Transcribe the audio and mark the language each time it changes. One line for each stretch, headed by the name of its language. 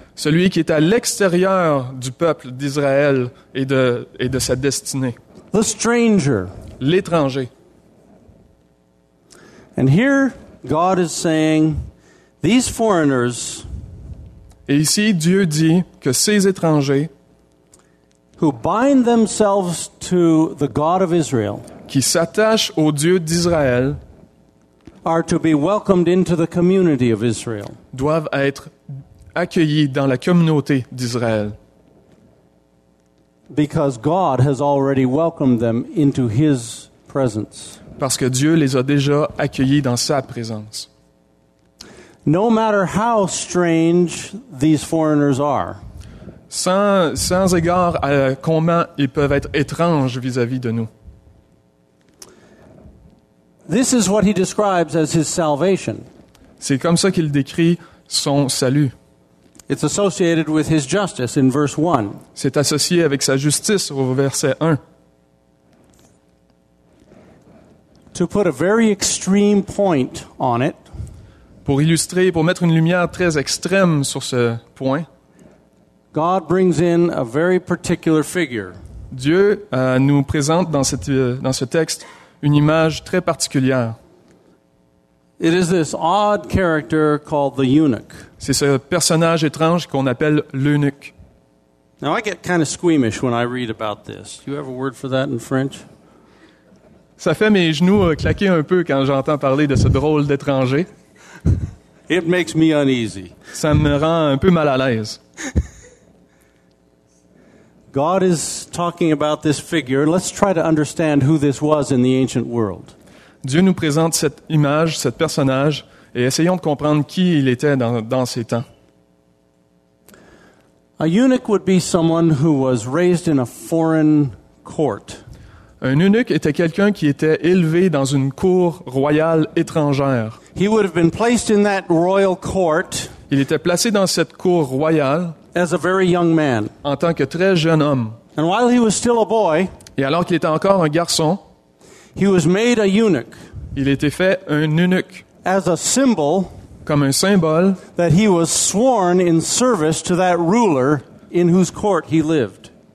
French: Celui qui est à l'extérieur du peuple d'Israël et de sa destinée.
English: The stranger.
French: L'étranger.
English: And here God is saying these foreigners.
French: Et ici Dieu dit que ces étrangers
English: who bind themselves to the God of Israel
French: qui s'attachent au Dieu d'Israël
English: are to be welcomed into the community of Israel.
French: Doivent être accueillis dans la communauté d'Israël.
English: Because God has already welcomed them into his presence.
French: Parce que Dieu les a déjà accueillis dans sa présence.
English: No matter how strange these foreigners are.
French: Sans égard à comment ils peuvent être étranges vis-à-vis de nous.
English: This is what he describes as his salvation.
French: C'est comme ça qu'il décrit son salut.
English: It's associated with his justice in verse 1.
French: C'est associé avec sa justice au verset 1.
English: To put a very extreme point on it.
French: Pour illustrer, pour mettre une lumière très extrême sur ce point.
English: God brings in a very particular figure.
French: Dieu nous présente dans ce texte une image très particulière.
English: It is this odd character called the eunuch.
French: C'est ce personnage étrange qu'on appelle l'eunuque.
English: Now I get kind of squeamish when I read about this. Do you have a word for that in French?
French: Ça fait mes genoux claquer un peu quand j'entends parler de ce drôle d'étranger.
English: It makes me uneasy.
French: Ça me rend un peu mal à l'aise.
English: God is talking about this figure. Let's try to understand who this was in the ancient world.
French: Dieu nous présente cette image, ce personnage, et essayons de comprendre qui il était dans ces temps.
English: A eunuch would be someone who was raised in a foreign court.
French: Un eunuque était quelqu'un qui était élevé dans une cour royale étrangère.
English: He would have been placed in that royal court.
French: Il était placé dans cette cour royale.
English: As a very young man.
French: En tant que très jeune homme.
English: And while he was still a boy.
French: Et alors qu'il était encore un garçon.
English: He was made a eunuch.
French: Il était fait un eunuque.
English: As a symbol.
French: Comme un symbole.
English: That he was sworn in service to that ruler in whose court he lived.